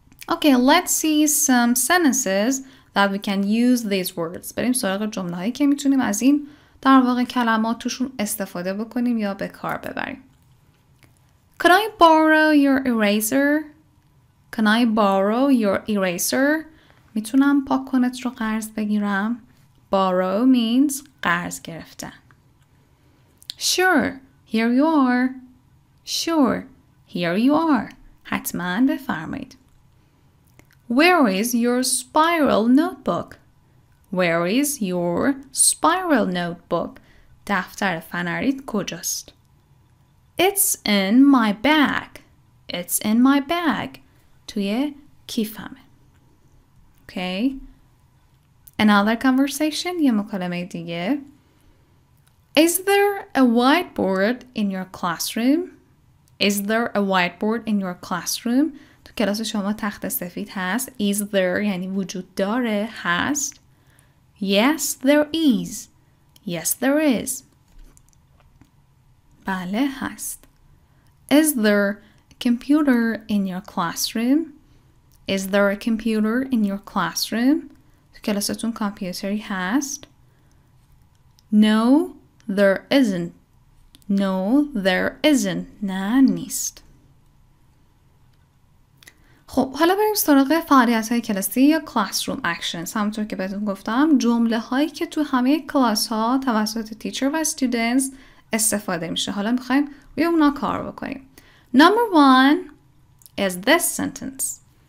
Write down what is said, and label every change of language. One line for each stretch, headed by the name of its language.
English: Okay, let's see some sentences that we can use these words.
Persian: بریم سراغ جمله‌هایی که میتونیم از این در واقع کلمات توشون استفاده بکنیم یا به کار ببریم.
English: Can I borrow your eraser? Can I borrow your eraser?
Persian: میتونم پاکونت رو قرض بگیرم.
English: Borrow means
Persian: قرض گرفتن.
English: Sure, here you are. Sure, here you are.
Persian: حتما بفرمایید.
English: Where is your spiral notebook? Where is your spiral notebook?
Persian: دفتر فنریت کجاست؟
English: It's in my bag. It's in my bag.
Persian: توی کیفمه.
English: Okay. Another conversation.
Persian: یه مکالمه دیگه.
English: Is there a whiteboard in your classroom? Is there a whiteboard in your classroom?
Persian: کلاس شما تخت سفید هست.
English: Is there
Persian: یعنی وجود داره، هست.
English: Yes, there is. Yes, there is.
Persian: بله هست.
English: Is there a computer in your classroom? Is there a computer in your classroom?
Persian: کلاستون کامپیوتری هست.
English: No, there isn't. No, there isn't.
Persian: نه نیست. خب حالا بریم سراغ فعالیت‌های کلاسی یا کلاسروم اکشنز. همونطور که بهتون گفتم جمله‌هایی که تو همه کلاس‌ها توسط تیچر و استودنتس استفاده میشه. حالا میخوایم روی اونا کار بکنیم.
English: Number one is this sentence.